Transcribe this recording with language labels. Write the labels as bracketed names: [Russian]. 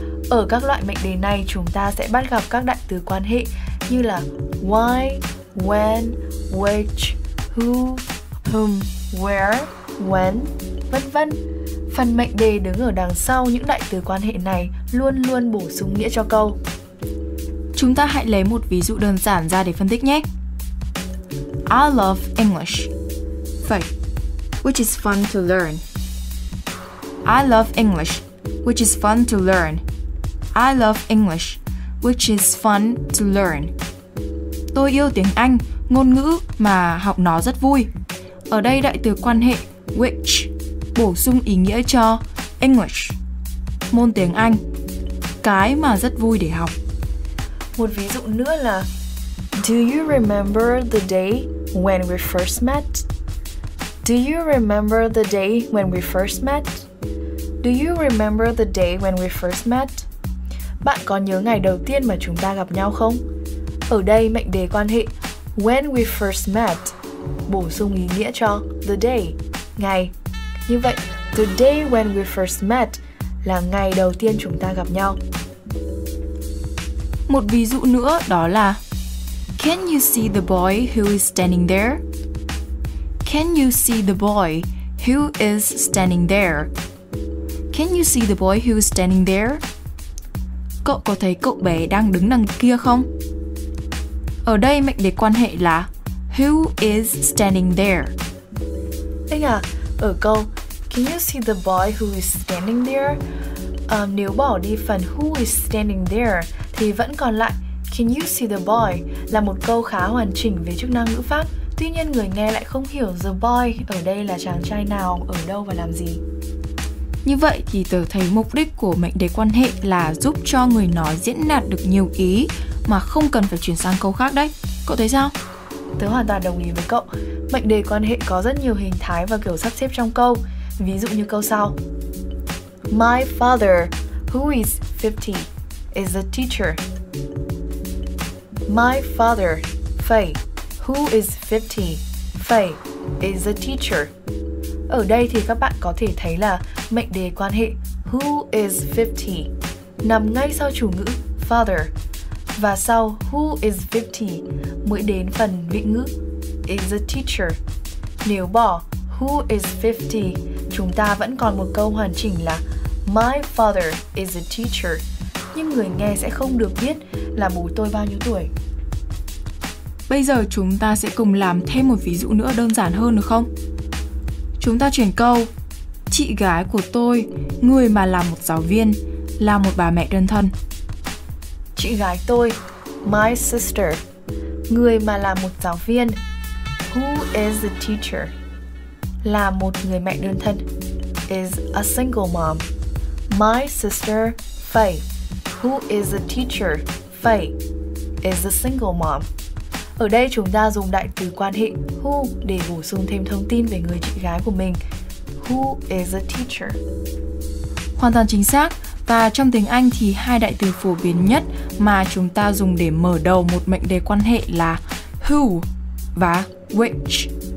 [Vietnamese] Ở các loại mệnh đề này, chúng ta sẽ bắt gặp các đại từ quan hệ như là why, when, which, who, whom, where, when, vân vân. Phần mệnh đề đứng ở đằng sau những đại từ quan hệ này luôn luôn bổ sung nghĩa cho câu. Chúng ta hãy lấy một ví dụ đơn giản ra để phân tích nhé. [English] I love English. Vậy, which is fun to learn. I love English, which is fun to learn. I love English, which is fun to learn. [Vietnamese] Tôi yêu tiếng Anh, ngôn ngữ mà học nó rất vui. Ở đây đại từ quan hệ which bổ sung ý nghĩa cho English, môn tiếng Anh, cái mà rất vui để học. Một ví dụ nữa là [English] do you remember the day when we first met? Do you remember the day when we first met? Do you remember the day when we first met? [Vietnamese] Bạn có nhớ ngày đầu tiên mà chúng ta gặp nhau không? Ở đây mệnh đề quan hệ [English] when we first met [Vietnamese] bổ sung ý nghĩa cho [English] the day, [Vietnamese] ngày. Như vậy, [English] the day when we first met [Vietnamese] là ngày đầu tiên chúng ta gặp nhau. Một ví dụ nữa đó là [English] can you see the boy who is standing there? Can you see the boy who is standing there? Can you see the boy who is standing there? [Vietnamese] Cậu có thấy cậu bé đang đứng đằng kia không? Ở đây mệnh đề quan hệ là [English] who is standing there? [Vietnamese] Anh à, ở câu [English] can you see the boy who is standing there? [Vietnamese] Nếu bỏ đi phần [English] who is standing there [Vietnamese] thì vẫn còn lại [English] can you see the boy [Vietnamese] là một câu khá hoàn chỉnh về chức năng ngữ pháp. Tuy nhiên người nghe lại không hiểu [English] the boy [Vietnamese] ở đây là chàng trai nào, ở đâu và làm gì. Như vậy thì tớ thấy mục đích của mệnh đề quan hệ là giúp cho người nói diễn đạt được nhiều ý mà không cần phải chuyển sang câu khác đấy. Cậu thấy sao? Tớ hoàn toàn đồng ý với cậu. Mệnh đề quan hệ có rất nhiều hình thái và kiểu sắp xếp trong câu. Ví dụ như câu sau. [English] My father, who is 50, is a teacher. My father, Faye, who is 50, Faye, is a teacher. [Vietnamese] Ở đây thì các bạn có thể thấy là mệnh đề quan hệ [English] who is 50 [Vietnamese] nằm ngay sau chủ ngữ father và sau who is 50 mới đến phần vị ngữ [English] is a teacher. [Vietnamese] Nếu bỏ [English] who is 50, [Vietnamese] chúng ta vẫn còn một câu hoàn chỉnh là [English] my father is a teacher, [Vietnamese] nhưng người nghe sẽ không được biết là bố tôi bao nhiêu tuổi. Bây giờ chúng ta sẽ cùng làm thêm một ví dụ nữa đơn giản hơn được không? Chúng ta chuyển câu. Chị gái của tôi, người mà là một giáo viên, là một bà mẹ đơn thân. Chị gái tôi, [English] my sister, [Vietnamese] người mà là một giáo viên, [English] who is a teacher, [Vietnamese] là một người mẹ đơn thân, [English] is a single mom. My sister, Faye, who is a teacher, Faye, is a single mom. [Vietnamese] Ở đây chúng ta dùng đại từ quan hệ who để bổ sung thêm thông tin về người chị gái của mình. [English] Who is a teacher? [Vietnamese] Hoàn toàn chính xác. Và trong tiếng Anh thì hai đại từ phổ biến nhất mà chúng ta dùng để mở đầu một mệnh đề quan hệ là who và which.